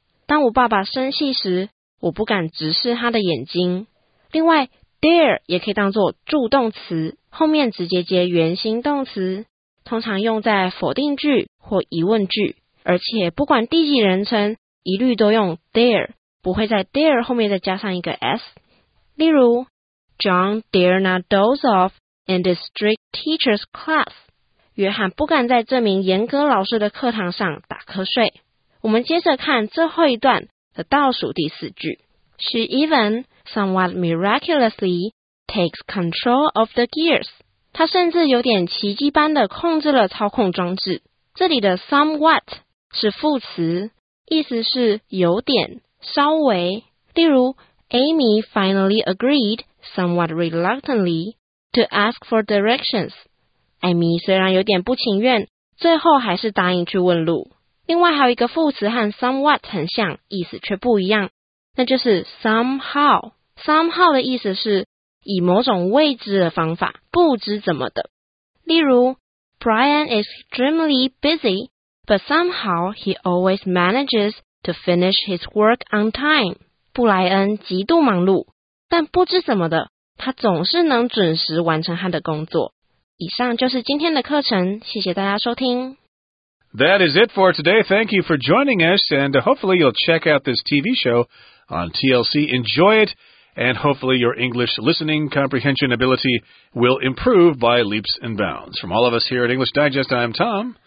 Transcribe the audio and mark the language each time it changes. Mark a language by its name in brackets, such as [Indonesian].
[Chinese] 当我爸爸生气时，我不敢直视他的眼睛。另外 ,dare 也可以当作助动词，后面直接接原形动词，通常用在否定句或疑问句，而且不管第几人称，一律都用 dare, 不会在 dare 后面再加上一个 s。例如 [English] ,John dare not doze off in the strict teacher's class. [Chinese] 约翰不敢在这名严格老师的课堂上打瞌睡。我们接着看最后一段的倒数第四句。 [English] She even, somewhat miraculously, takes control of the gears. [Chinese] 她甚至有点奇迹般的控制了操控装置。这里的 somewhat 是副词，意思是有点，稍微。例如 [English] ,Amy finally agreed, somewhat reluctantly, to ask for directions. [Chinese] 艾米虽然有点不情愿，最后还是答应去问路。另外还有一个副词和 somewhat 很像，意思却不一样，那就是 somehow。 somehow 的意思是以某种未知的方法，不知怎么的。例如 [English] Brian is extremely busy, but somehow he always manages to finish his work on time. [Chinese] 布莱恩极度忙碌，但不知怎么的，他总是能准时完成他的工作。以上就是今天的课程，谢谢大家收听。 [English] That is it for today. Thank you for joining us, and hopefully you'll check out this TV show on TLC. Enjoy it, and hopefully your English listening comprehension ability will improve by leaps and bounds. From all of us here at English Digest, I'm Tom.